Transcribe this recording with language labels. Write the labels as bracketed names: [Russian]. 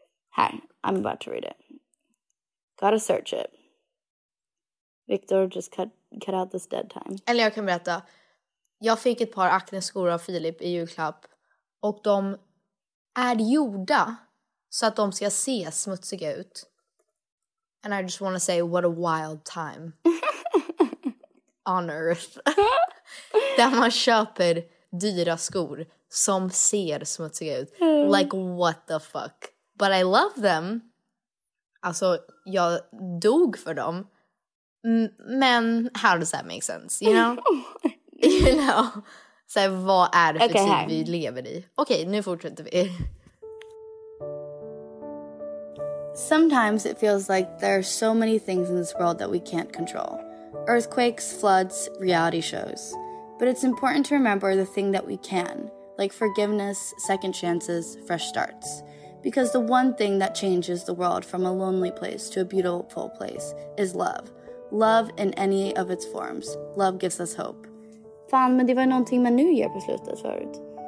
[English] Här, I'm about to read it. Gotta search it. Victor just cut out this dead time. [Swedish] Eller jag kan berätta. Jag fick ett par akneskor av Filip i julklapp. Och de är gjorda så att de ska se smutsiga ut. [English] And I just want to say, what a wild time on earth. [Swedish] Där man köper dyra skor som ser smutsiga ut. [English] Mm. Like, what the fuck? But I love them. [Swedish] Alltså, jag dog för dem. Men [English] how does that make sense? You know? You know? [Swedish] Så vad är det för okay, tid här. Vi lever i? Okej, nu fortsätter vi. [English] Sometimes it feels like there are so many things in this world that we can't control. Earthquakes, floods, reality shows. But it's important to remember the thing that we can, like forgiveness, second chances, fresh starts. Because the one thing that changes the world from a lonely place to a beautiful place is love. Love in any of its forms. Love gives us hope. [Swedish] Fan, men det var någonting med New Year på slutet förut.